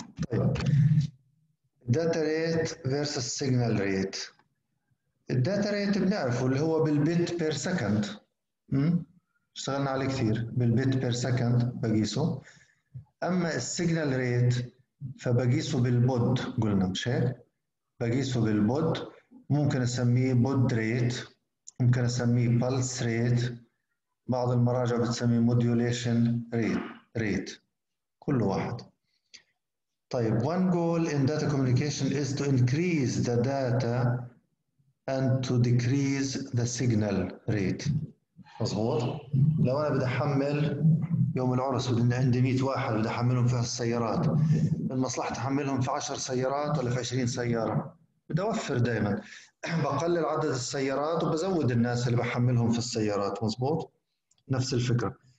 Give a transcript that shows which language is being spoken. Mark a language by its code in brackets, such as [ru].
[ar] طيب الداتا ريت فيرسس سيجنال ريت، الداتا ريت بنعرفه اللي هو بالبيت بير سكند، اشتغلنا عليه كثير بالبيت بير سكند بقيسه، اما السيجنال ريت فبقيسه بالبود، قلنا مش هيك؟ بقيسه بالبود، ممكن اسميه بود ريت، ممكن اسميه بالس ريت، بعض المراجع بتسميه موديوليشن ريت، ريت كل واحد. طيب [en] one goal in data communication is to increase the data and to decrease the signal rate. [ar] مظبوط؟ لو انا بدي احمل يوم العرس بدنا عندي 100 واحد بدي احملهم في السيارات، المصلحة احملهم في 10 سيارات ولا في 20 سيارة؟ بدي اوفر دائما، بقلل عدد السيارات وبزود الناس اللي بحملهم في السيارات، مظبوط؟ نفس الفكرة.